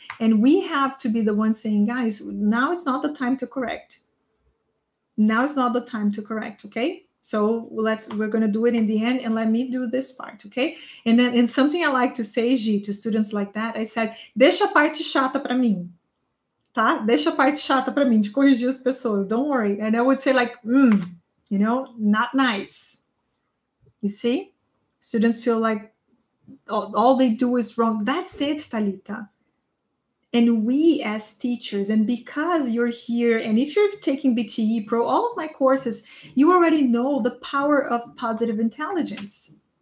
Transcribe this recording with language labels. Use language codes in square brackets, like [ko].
[en] And we have to be the one saying, guys, now is not the time to correct. Now is not the time to correct, okay? So we're going to do it in the end and let me do this part, okay? And then and something I like to say, G, to students like that, I said, [pt] deixa a parte chata para mim. Tá? Deixa a parte chata para mim, de corrigir as pessoas. [en] Don't worry. And I would say like, you know, not nice. You see? Students feel like all they do is wrong. That's it, Thalita. And we as teachers, and because you're here, and if you're taking BTE Pro, all of my courses, you already know the power of positive intelligence.